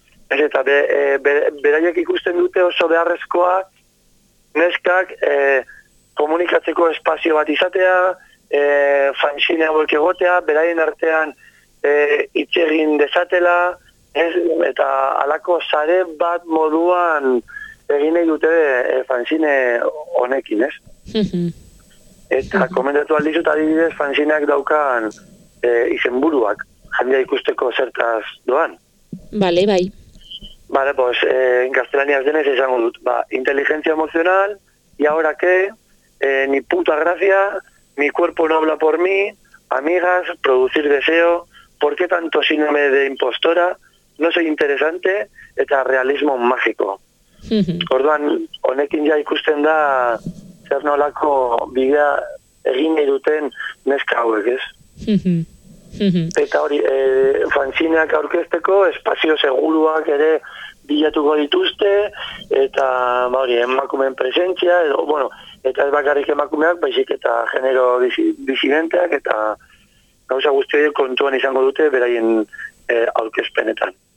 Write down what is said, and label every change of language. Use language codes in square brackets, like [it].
[eu] Ez eta, beraiek ikusten dute oso beharrezkoa, neskak komunikatzeko espazio bat izatea, fanzine hauek egotea, beraien artean hitz egin dezatela, ez, eta alako sare bat moduan egin nahi dute fanzine honekin, ez? Eta komentatu aldizut adibidez fanzineak daukan izenburuak, jendea ikusteko zertaz doan. Bale, bai. Bale, pues, gaztelaniaz denez esango dut. [es] Ba, [eu] inteligentzia emozional, [es] y ahora que, ni puta gracia, mi cuerpo no habla por mí, amigas, producir deseo, ¿por qué tanto síndrome de impostora? No soy interesante, [eu] eta [es] realismo mágico. [eu] Orduan, honekin ja ikusten da zer nolako bidea egin nahi duten neska hauek, ez? Eta hori, fanzineak aurkezteko espazio seguruak ere bilatuko dituzte, eta ba hori, emakumeen presentzia, edo, bueno, eta ez bakarrik emakumeak, baizik eta genero disidenteak, eta gauza guzti hori kontuan izango dute beraien aurkezpenetan.